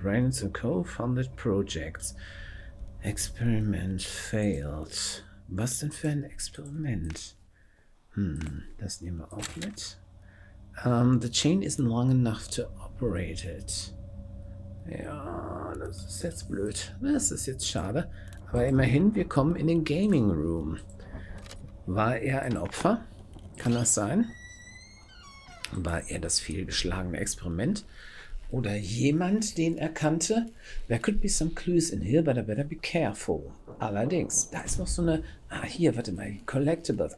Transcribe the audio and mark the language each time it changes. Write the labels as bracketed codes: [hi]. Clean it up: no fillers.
[en] Reigns and co-founded projects. Experiment failed. [de] Was denn für ein Experiment? Das nehmen wir auch mit. [en] The chain isn't long enough to operate it. [de] Ja, das ist jetzt blöd. Das ist jetzt schade. Aber immerhin, wir kommen in den Gaming Room. War er ein Opfer? Kann das sein? War er das fehlgeschlagene Experiment? oder jemand den erkannte. [en] There could be some clues in here, but I better be careful. [de] Allerdings, da ist noch so eine, hier, warte mal, Collectibles.